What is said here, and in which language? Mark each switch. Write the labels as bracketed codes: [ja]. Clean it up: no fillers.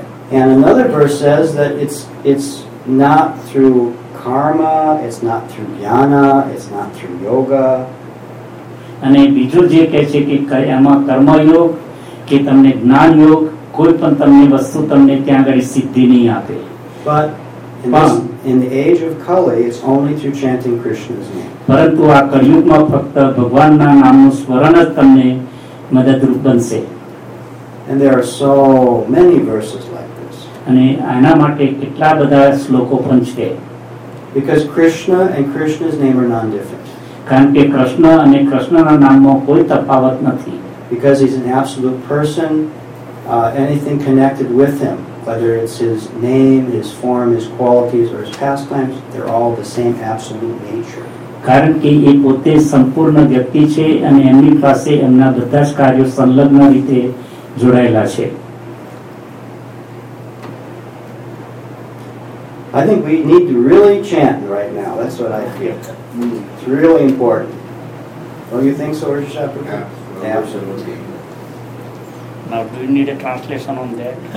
[en] And another verse says that it's not through karma, it's not through jnana, it's not through yoga. [gu] અને બીજો જે કહે છે કે એમાં કર્મયોગ કે તમને જ્ઞાન યોગ કોઈ પણ તમને વસ્તુ તમને ત્યાં આગળ સિદ્ધિ નહીં આપે. [en] But in the age of Kali, it's only through chanting Krishna's name. [gu] પરંતુ આ કળિયુગમાં ફક્ત ભગવાનના નામનું સ્મરણ જ તમને મદદરૂપ બનશે. [en] And there are so many verses like this. [gu] અને આના માટે કેટલા બધા શ્લોકો પણ છે. [en] Because Krishna and Krishna's name are non-different. [gu] કારણ કે કૃષ્ણ અને કૃષ્ણના નામમાં કોઈ તફાવત નથી. [en] Because he's an absolute person, anything connected with him, whether it's his name, his form, his qualities, or his pastimes, they're all the same absolute nature. [gu] કારણ કે એ પોતે સંપૂર્ણ વ્યક્તિ છે અને એમની પાસે એમના બધા જ કાર્યો સંલગ્ન રીતે જોડાયેલા છે. [en] I think we need to really chant right now. That's what I feel. It's really important. Don't you think so, Rishabh? Absolutely. Absolutely. Now, do you need a translation on that?